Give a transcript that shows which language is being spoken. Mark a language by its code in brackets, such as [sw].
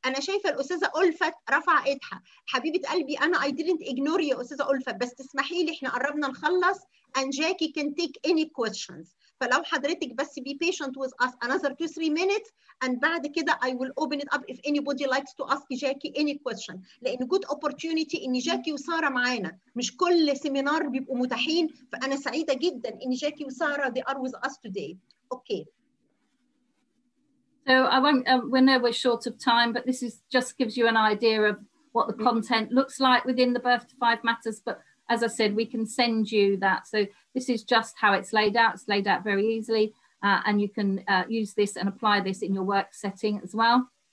[ar] أنا شايفة الأستاذة ألفة رفع إيدها. حبيبة قلبي أنا [en] I didn't ignore you [ar] أستاذة ألفة بس تسمحي لي إحنا قربنا نخلص [en] and Jackie can take any questions. [ar] فلو حضرتك بس [en] be patient with us another 2-3 minutes and [ar] بعد كده [en] I will open it up if anybody likes to ask Jackie any question. [ar] لأن [en] good opportunity [ar] إن Jackie وسارة معانا. مش كل سيمينار بيبقوا متاحين فأنا سعيدة جدا إن Jackie وسارة [en] they are with us today. Okay. So I won't, we know we're short of time, but this is just gives you an idea of what the content looks like within the Birth to Five Matters. But as I said, we can send you that. So this is just how it's laid out. It's laid out very easily. And you can use this and apply this in your work setting as well.